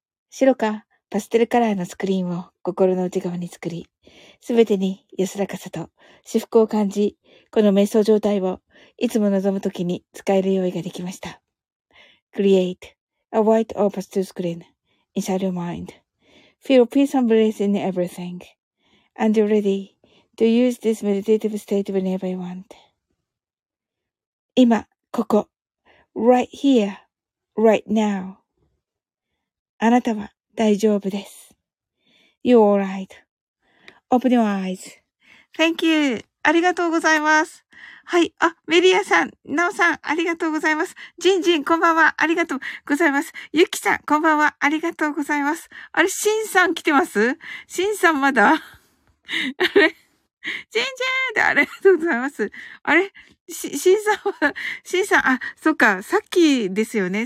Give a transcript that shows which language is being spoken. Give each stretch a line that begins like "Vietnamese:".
Japanese: 白かパステルカラーのスクリーンを心の内側に作り、すべてに安らかさと至福を感じ、この瞑想状態をいつも望むときに使える用意ができました。
English: Create a white or pastel screen inside your mind. Feel peace and bliss in everything. And you're ready to use this meditative state whenever you want.
Japanese: 今、ここ。
English: Right here, right now.
Japanese: あなたは大丈夫です。
English: You're alright. Open your eyes. Thank you.
Japanese: ありがとうございます。はい。あ、メリアさん、ナオさん、ありがとうございます。ジンジン、こんばんは。ありがとうございます。ユキさん、こんばんは。ありがとうございます。あれ、シンさん来てます？シンさんまだ？あれ？ジンジンで、ありがとうございます。あれ？シンさんは、シンさん、あ、そっか、さっきですよね。